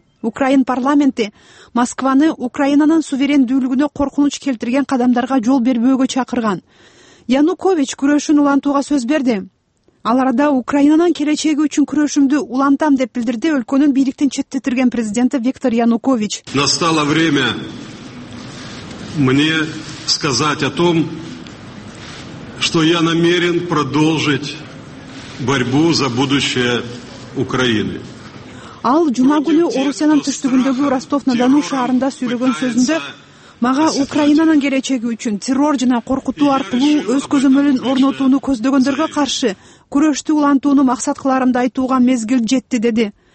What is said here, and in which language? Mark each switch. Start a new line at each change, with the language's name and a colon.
Kyrgyz: Украин парламенти Москваны Украинанын суверендүүлүгүнө коркунуч келтирген кадамдарга жол бербөөгө чакырган. Янукович күрөшүн улантууга сөз берди. Ал арада Украинанын келечеги үчүн күрөшүмдү улантам деп билдирди өлкөнүн бийликтен четтетирген президенти Виктор Янукович.
Russian: Настало время мне сказать о том, что я намерен продолжить борьбу за будущее Украины.
Kyrgyz: Ал жума күнү Орусиянын түштүгүндөгү Ростов-на-Дону шаарында сүйлөгөн сөзүндө мага Украинанын келечеги үчүн террор жана коркутуу аркылуу өз көзөмөлүн орнотууну көздөгөндөргө каршы күрөштү улантууну максат кылаарымды айтууга мезгил жетти деди.